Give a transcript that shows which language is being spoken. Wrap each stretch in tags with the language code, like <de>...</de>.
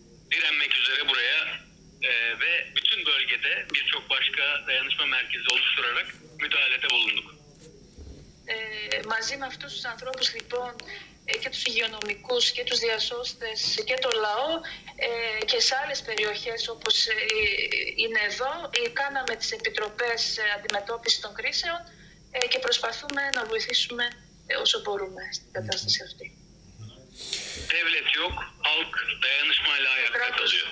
<tr>direnmek üzere buraya ve bütün bölgede birçok başka dayanışma merkezi oluşturarak müdahalede bulunduk.</tr> <el>Μαζί με αυτούς τους ανθρώπους λοιπόν και τους υγειονομικούς και τους διασώστες και το λαό και σε άλλες περιοχές όπως είναι εδώ κάναμε τις επιτροπές αντιμετώπισης των κρίσεων και προσπαθούμε να βοηθήσουμε όσο μπορούμε στην κατάσταση αυτή.</el> <tr>Devlet yok, halk dayanışmayla ayakta kalıyor.</tr>